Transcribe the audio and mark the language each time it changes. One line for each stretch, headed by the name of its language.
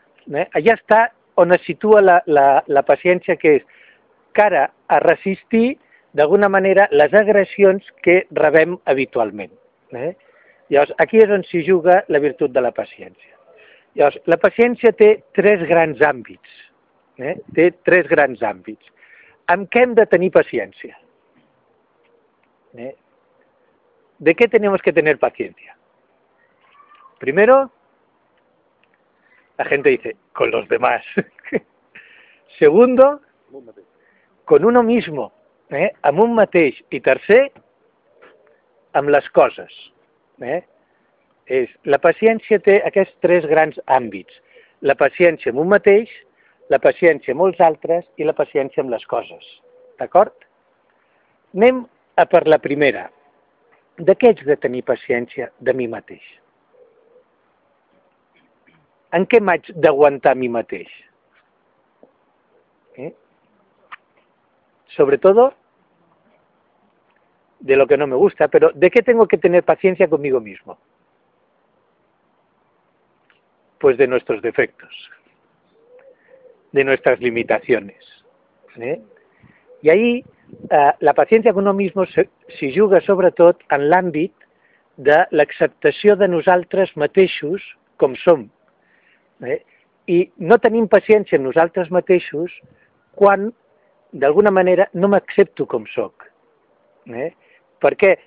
Catalan: Allà està on es situa la paciència, que és cara a resistir d'alguna manera les agressions que rebem habitualment. Llavors, aquí és on s'hi juga la virtut de la paciència. Llavors, la paciència té tres grans àmbits. Té tres grans àmbits. Amb què hem de tenir paciència?
Spanish: ¿De qué tenemos que tener paciencia? Primero, la gente dice, con los demás. Segundo, con uno mismo,
Catalan: amb un mateix. I tercer, amb les coses. La paciència té aquests tres grans àmbits. La paciència amb un mateix, la paciència amb els altres i la paciència amb les coses. D'acord? Anem a per la primera. De què haig de tenir paciència de mi mateix? En què m'haig d'aguantar a mi mateix?
Spanish: Sobretot de lo que no me gusta, pero ¿de qué tengo que tener paciencia conmigo mismo? Pues de nuestros defectos, de nuestras limitaciones. Y ahí la paciencia con uno mismo se juga
Catalan: sobretot en l'àmbit de l'acceptació de nosaltres mateixos com som. I no tenim paciència en nosaltres mateixos quan, d'alguna manera, no m'accepto com sóc. Per què?